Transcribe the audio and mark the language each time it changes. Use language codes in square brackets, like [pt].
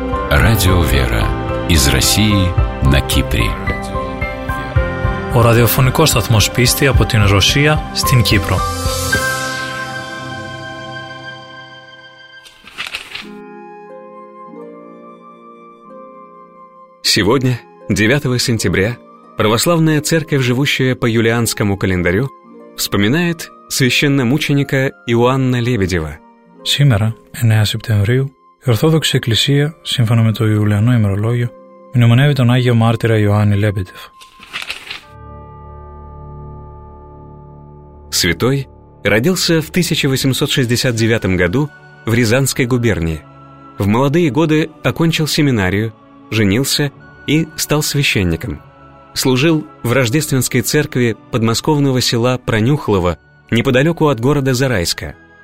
[ru] Радио «Вера» из России на Кипре. [el] Ο ραδιοφωνικός σταθμός πίστη από την Ρωσία στην Κύπρο. [ru] Сегодня, 9 сентября, православная церковь, живущая по юлианскому календарю, вспоминает священномученика Иоанна Лебедева. [el] Сегодня, 9 сентября, η Ορθόδοξη Εκκλησία, σύμφωνα με το Ιουλιανό ημερολόγιο, μνημονεύει τον Άγιο Μάρτυρα Ιωάννη Λέμπεντεφ. [ru] Святой родился в 1869 году в Рязанской губернии. В молодые годы окончил семинарию, женился и стал священником. Служил в Рождественской церкви подмосковного села Пронюхлова, неподалеку от города Зарайска.